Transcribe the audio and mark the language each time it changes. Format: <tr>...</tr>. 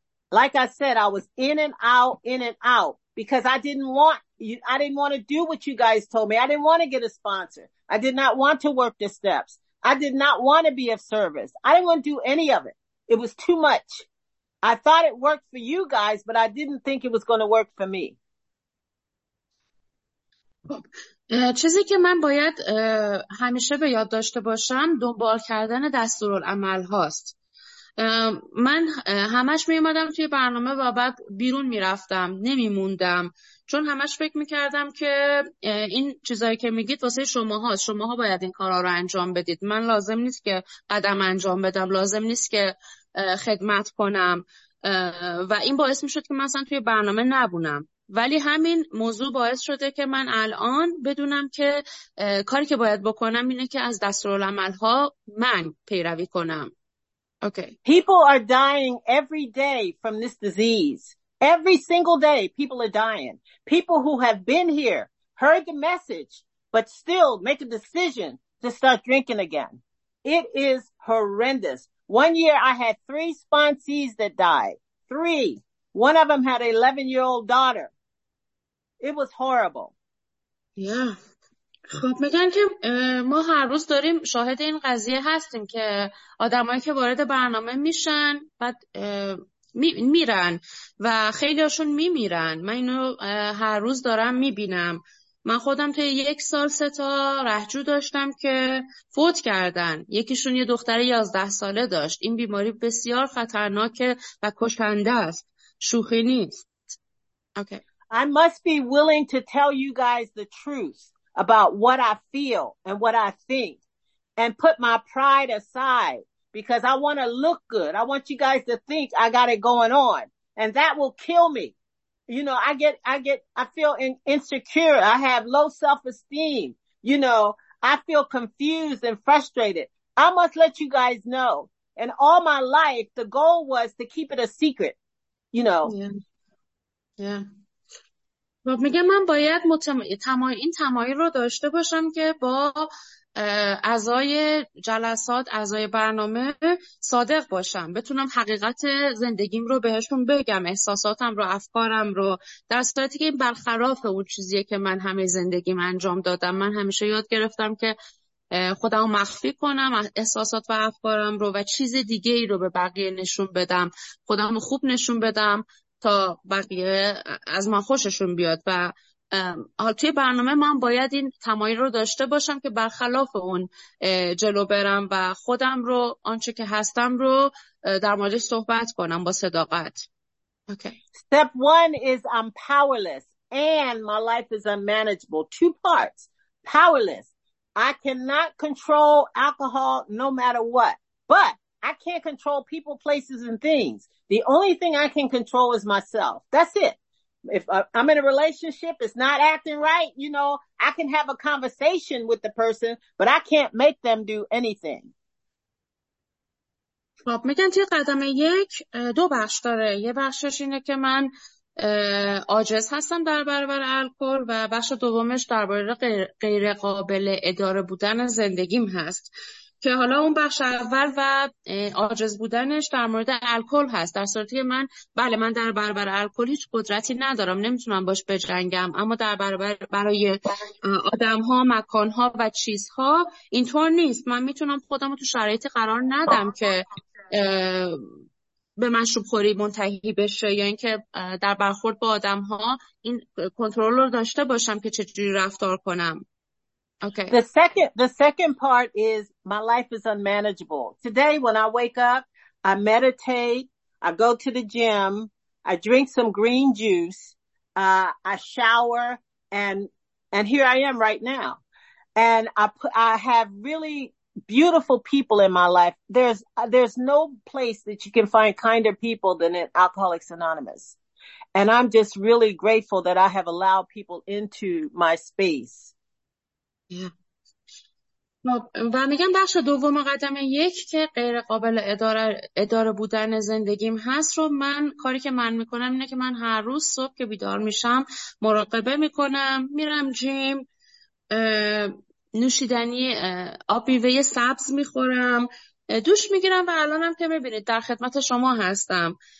<en>Like I said, I was in and out, because I didn't want to do what you guys told me. I didn't want to get a sponsor. I did not want to work the steps. I did not want to be of service. I didn't want to do any of it. It was too much. I thought it worked for you guys, but I didn't think it was going to work for me.</en> <fa>چیزی که من باید همیشه به یاد داشته باشم دنبال کردن دستورالعمل هاست. من همش می اومدم توی برنامه و بعد بیرون می رفتم، نمی موندم، چون همش فکر می کردم که این چیزایی که میگید واسه شما هاست، شما ها باید این کارا رو انجام بدید، من لازم نیست که قدم انجام بدم، لازم نیست که خدمت کنم و این باعث می شد که من اصلا توی برنامه نبونم. ولی همین موضوع باعث شده که من الان بدونم که کاری که باید بکنم اینه که از دستورالعمل‌ها من پیروی کنم.</fa> <en>Okay. People are dying every day from this disease. Every single day people are dying. People who have been here, heard the message, but still make a decision to start drinking again. It is horrendous. One year I had 3 sponsees that died. 3. One of them had an 11-year-old daughter. It was horrible. Yeah.</en> <fa>خب میگن که ما هر روز داریم شاهد این قضیه هستیم که آدمایی که وارد برنامه میشن بعد میرن و خیلی هاشون میمیرن. من اینو هر روز دارم میبینم. من خودم توی 1 سال 3 تا رهجو داشتم که فوت کردن. یکیشون یه دختر 11 ساله داشت. این بیماری بسیار خطرناکه و کشنده است. شوخی نیست.</fa> <en>Okay. I must be willing to tell you guys the truth about what I feel and what I think and put my pride aside because I want to look good. I want you guys to think I got it going on and that will kill me. You know, I feel insecure. I have low self-esteem. You know, I feel confused and frustrated. I must let you guys know. And all my life, the goal was to keep it a secret, you know. Yeah.</en> <fa>خب میگم من باید این تمایل رو داشته باشم که با اعضای جلسات، اعضای برنامه صادق باشم، بتونم حقیقت زندگیم رو بهشون بگم، احساساتم رو، افکارم رو، در صورتی که این برخلاف اون چیزیه که من همه زندگیم انجام دادم. من همیشه یاد گرفتم که خودم مخفی کنم احساسات و افکارم رو و چیز دیگه ای رو به بقیه نشون بدم، خودم رو خوب نشون بدم تا بقیه از من خوششون بیاد. و حال توی برنامه من باید این تمایل رو داشته باشم که برخلاف اون جلو برم و خودم رو، آنچه که هستم رو در موردش صحبت کنم با صداقت.</fa> <en>Okay. Step one is I'm powerless and my life is unmanageable. Two parts. Powerless. I cannot control alcohol no matter what, but I can't control people, places, and things. The only thing I can control is myself. That's it. If I'm in a relationship, it's not acting right, you know, I can have a conversation with the person, but I can't make them do anything.</en> <fa>خب میگن توی قدم یک دو بخش داره. یه بخشش اینه که من عاجز هستم در برابر الکل و بخش دومش درباره غیر قابل اداره بودن زندگیم هست که حالا اون بخش اول و عاجز بودنش در مورد الکل هست، در صورتی که من بله من در برابر الکل هیچ قدرتی ندارم، نمیتونم باش بجنگم، اما در برابر برای آدم ها مکان ها و چیزها اینطور نیست. من میتونم خودم رو تو شرایطی قرار ندم که به مشروب خوری منتهی بشه، یا اینکه در برخورد با آدم ها این کنترل رو داشته باشم که چجوری رفتار کنم.</fa> <en>Okay. The second part is my life is unmanageable. Today when I wake up, I meditate, I go to the gym, I drink some green juice, I shower, and here I am right now. And I have really beautiful people in my life. There's no place that you can find kinder people than at Alcoholics Anonymous. And I'm just really grateful that I have allowed people into my space.</en> <fa>و میگم بخش دوم قدم یک که غیر قابل اداره بودن زندگیم هست رو من کاری که من میکنم اینه که من هر روز صبح که بیدار میشم مراقبه میکنم، میرم جیم، نوشیدنی آب میوه سبز میخورم، دوش میگیرم و الانم که میبینید در خدمت شما هستم.</fa>